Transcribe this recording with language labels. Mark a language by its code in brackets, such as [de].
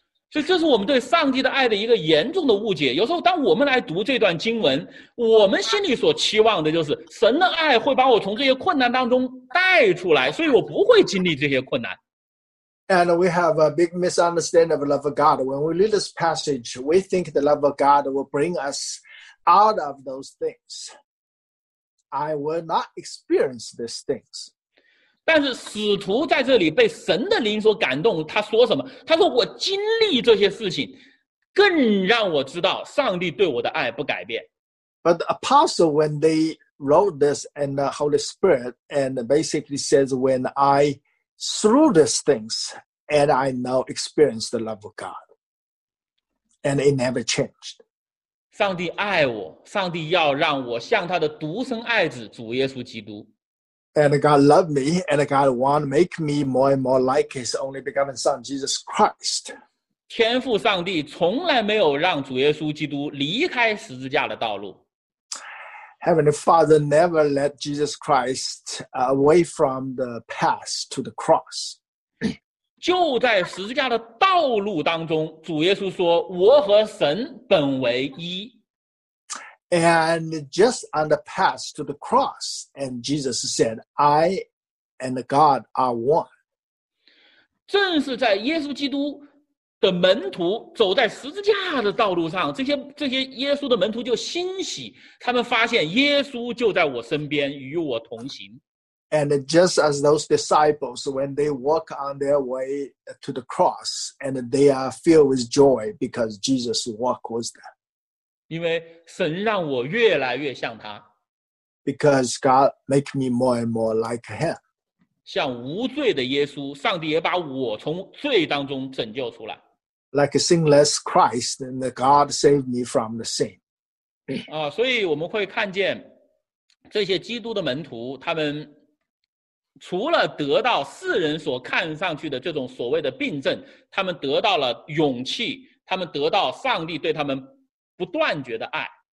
[zh] 所以这是我们对上帝的爱的一个严重的误解。有时候当我们来读这段经文，我们心里所期望的就是神的爱会把我从这些困难当中带出来，所以我不会经历这些困难。 [en] And we have a big misunderstanding of the love of God. When we read this passage, we think the love of God will bring us out of those things. I will not experience these things. [zh] 但是使徒在这里被神的灵所感动，他说什么？他说我经历这些事情，更让我知道上帝对我的爱不改变。 [en] But the apostle, when they wrote this, and the Holy Spirit, and basically says, when I... through these things, and I now experience the love of God. And it never changed. [zh] 上帝爱我，上帝要让我像他的独生爱子主耶稣基督。 [en] And God loved me, and God wanted to make me more and more like his only begotten son, Jesus Christ. [zh] 天父上帝从来没有让主耶稣基督离开十字架的道路。 [en] Heavenly Father never let Jesus Christ away from the path to the cross. [zh] 就在十字架的道路当中，主耶稣说，我和神本为一。 [en] And just on the path to the cross, and Jesus said, I and God are one. [zh] 正是在耶稣基督的门徒走在十字架的道路上，这些耶稣的门徒就欣喜，他们发现耶稣就在我身边，与我同行。 [en] And just as those disciples, when they walk on their way to the cross, and they are filled with joy because Jesus walked with them. [zh] 因为神让我越来越像他。 [en] Because God make me more and more like him. [zh] 像无罪的耶稣，上帝也把我从罪当中拯救出来。 [en] Like a sinless Christ, and God saved me from the sin. [zh] 所以我们会看见这些基督的门徒，他们除了得到世人所看上去的这种所谓的病症，他们得到了勇气，他们得到上帝对他们不断绝的爱。